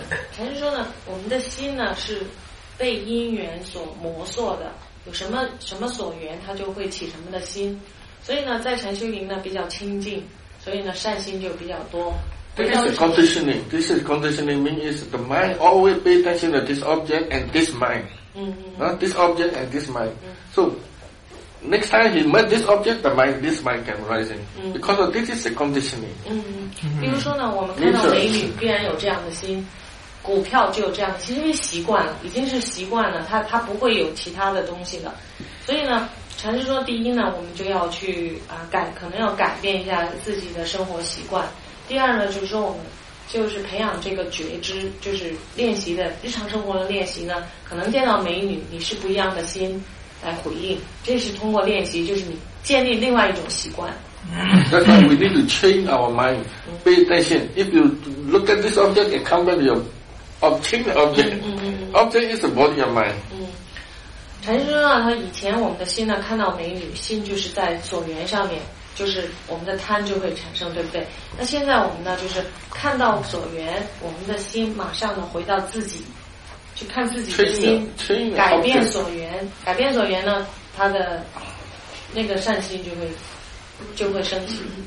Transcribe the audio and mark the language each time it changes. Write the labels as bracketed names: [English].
[Chinese] 禅师说呢，我们的心呢是被因缘所磨塑的，有什么什么所缘，它就会起什么的心。所以呢，在禅修营呢比较清净，所以呢善心就比较多。 [English] This is conditioning. This is conditioning means the mind always pay attention to this object and this mind. 嗯、 mm-hmm. 嗯、 huh? This object and this mind.、Mm-hmm. So next time he met this object, the mind, this mind can rising.、 Mm-hmm. Because of this is the conditioning. 嗯、mm-hmm. [Chinese] 比如说呢，我们看到美女必然有这样的心。股票就有这样，其实因为习惯了，已经是习惯了，它不会有其他的东西的。所以呢，禅师说，第一呢，我们就要去啊改，可能要改变一下自己的生活习惯。第二呢，就是说我们就是培养这个觉知，就是练习的日常生活的练习呢，可能见到美女，你是不一样的心来回应，这是通过练习，就是你建立另外一种习惯。 [English] That's why we need to change our mind, pay attention. If you look at this object, it comes back to your. Object is the body of mind. [Chinese] 禅师说他以前我们的心呢看到美女，心就是在所缘上面，就是我们的贪就会产生，对不对？那现在我们呢就是看到所缘，我们的心马上呢回到自己，去看自己的心，改变所缘，改变所缘呢，他的那个善心就会升起。